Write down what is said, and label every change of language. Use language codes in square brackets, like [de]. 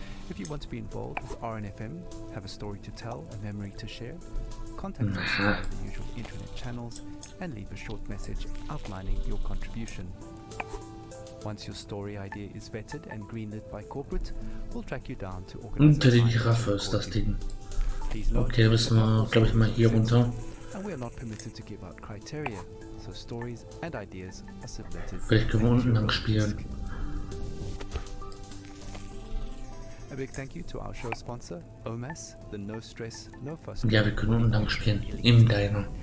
[en] If you want to be involved with RNFM, have a story to tell, a memory to share, contact us via the usual internet channels and leave a short message outlining your contribution. Once your story idea is vetted and greenlit by corporate, we'll track you down to organize. [de] Unter die Giraffe ist das Ding. Okay, müssen wir, glaube ich, mal hier runter. [en] And we are not permitted to give out criteria, so stories and ideas are submitted. [de] Vielleicht können wir unten lang spielen. [en] A big thank you to our show sponsor, OMS, the no stress, no fuss. [de] Ja, wir können unten lang spielen. Im Dino.